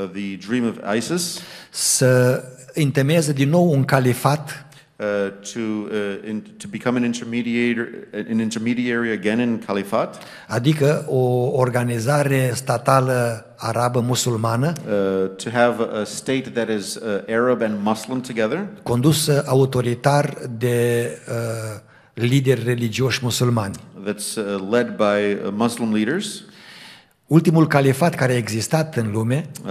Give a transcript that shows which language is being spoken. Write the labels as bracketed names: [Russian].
[English] The dream of ISIS. [Romanian] Să întemeieze din nou un califat. [English] to become an intermediary again in Califat, [Romanian] adică o organizare statală arabă musulmană, [English] to have a state that is Arab and Muslim together, [Romanian] condusă autoritar de lideri religioși musulmani. [English] That's led by Muslim leaders. [Romanian] Ultimul califat care a existat în lume,